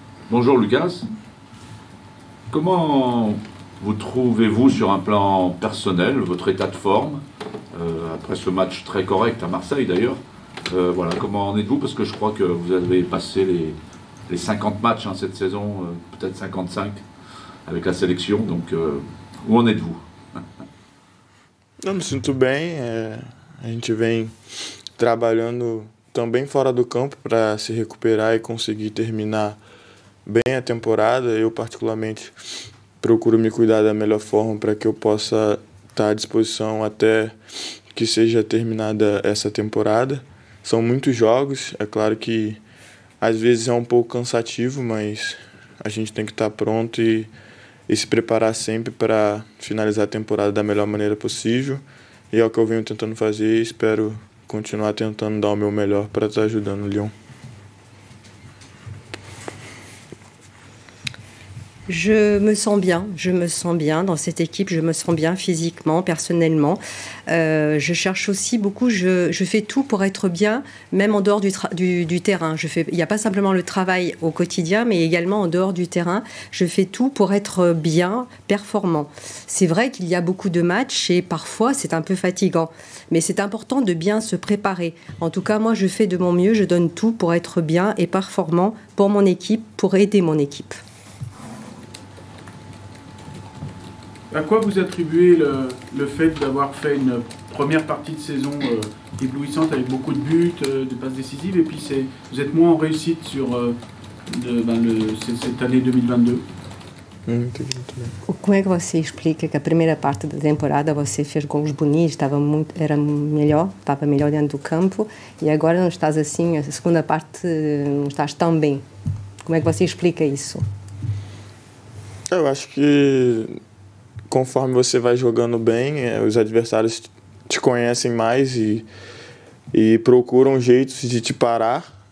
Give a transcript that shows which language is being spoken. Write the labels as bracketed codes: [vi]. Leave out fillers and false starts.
[fr] Bonjour Lucas, comment vous trouvez-vous sur un plan personnel, votre état de forme, après ce match très correct à Marseille d'ailleurs, voilà, comment en êtes-vous? Parce que je crois que vous avez passé les 50 matchs hein, cette saison, peut-être 55 avec la sélection, donc où en êtes-vous? [pt] Non, me sinto bien, a gente vem trabalhando também fora do campo para se recuperar et conseguir terminar bem a temporada. Eu particularmente procuro me cuidar da melhor forma para que eu possa estar à disposição até que seja terminada essa temporada. São muitos jogos, é claro que às vezes é um pouco cansativo, mas a gente tem que estar pronto e se preparar sempre para finalizar a temporada da melhor maneira possível. E é o que eu venho tentando fazer e espero continuar tentando dar o meu melhor para estar ajudando o Lyon. [fr] Je me sens bien dans cette équipe, je me sens bien physiquement, personnellement. Je cherche aussi beaucoup, je fais tout pour être bien, même en dehors du terrain. Il n'y a pas simplement le travail au quotidien, mais également en dehors du terrain, je fais tout pour être bien, performant. C'est vrai qu'il y a beaucoup de matchs et parfois c'est un peu fatigant, mais c'est important de bien se préparer. En tout cas, moi je fais de mon mieux, je donne tout pour être bien et performant pour mon équipe, pour aider mon équipe. À quoi vous attribuez le fait d'avoir fait une première partie de saison éblouissante avec beaucoup de buts, de passes décisives, et puis vous êtes moins en réussite sur cette année 2022? [pt] Como é que você explica que a primeira parte da temporada você fez gols bonitos, estava melhor dentro do campo, e agora não estás assim, a segunda parte não estás tão bem? Como é que você explica isso? Eu acho que conforme você vai jogando bem, os adversários te conhecem mais e procuram jeitos de te parar.